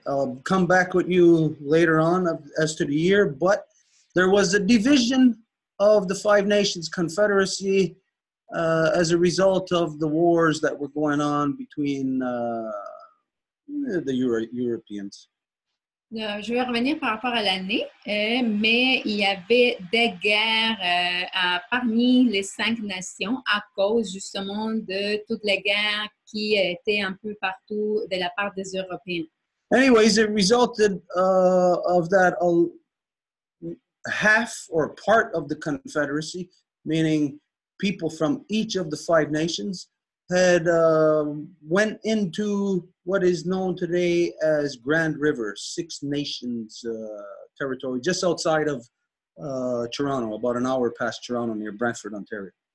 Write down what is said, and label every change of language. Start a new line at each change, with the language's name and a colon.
English: I'll come back with you later on as to the year, but there was a division of the Five Nations Confederacy as a result of the wars that were going on between the Europeans.
French: Je vais revenir par rapport à l'année, mais il y avait des guerres parmi les cinq nations à cause justement de toutes les guerres qui étaient un peu partout de la part des Européens.
English: Anyways, it resulted of that half or part of the Confederacy, meaning people from each of the five nations, had went into what is known today as Grand River, Six Nations territory, just outside of Toronto, about an hour past Toronto, near Brantford, Ontario.